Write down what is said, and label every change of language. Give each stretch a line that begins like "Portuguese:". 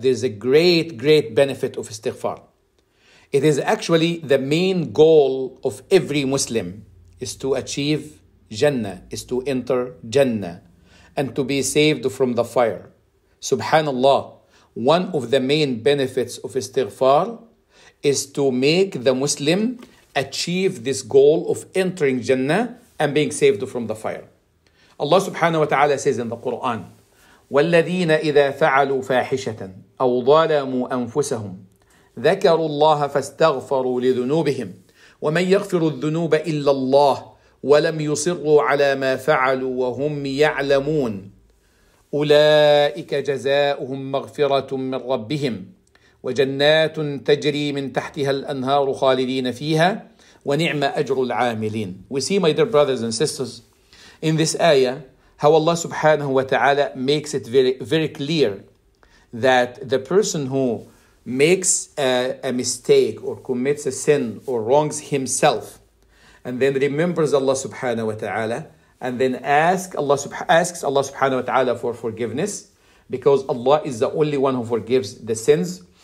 English: There is a great, great benefit of istighfar. It is actually the main goal of every Muslim is to achieve Jannah, is to enter Jannah and to be saved from the fire. Subhanallah, one of the main benefits of istighfar is to make the Muslim achieve this goal of entering Jannah and being saved from the fire. Allah subhanahu wa ta'ala says in the Quran,
Arabic: وَالَّذِينَ إِذَا فَعَلُوا فَاحِشَةً أَوْ ظَلَمُوا أَنفُسَهُمْ ذَكَرُوا اللَّهَ فَاسْتَغْفَرُوا لِذُنُوبِهِمْ وَمَنْ يَغْفِرُ الذُّنُوبَ إِلَّا اللَّهُ وَلَمْ يُصِرُّوا عَلَى مَا فَعَلُوا وَهُمْ يَعْلَمُونَ أُولَئِكَ جَزَاؤُهُمْ مَغْفِرَةٌ مِنْ رَبِّهِمْ وجنات تجري من تحتها الأنهار خالدين فيها ونعم أجر العاملين.
English: We see, my dear brothers and sisters, in this ayah, how Allah subhanahu wa ta'ala makes it very clear that the person who makes a mistake or commits a sin or wrongs himself and then remembers Allah subhanahu wa ta'ala and then asks Allah subhanahu wa ta'ala for forgiveness, because Allah is the only one who forgives the sins.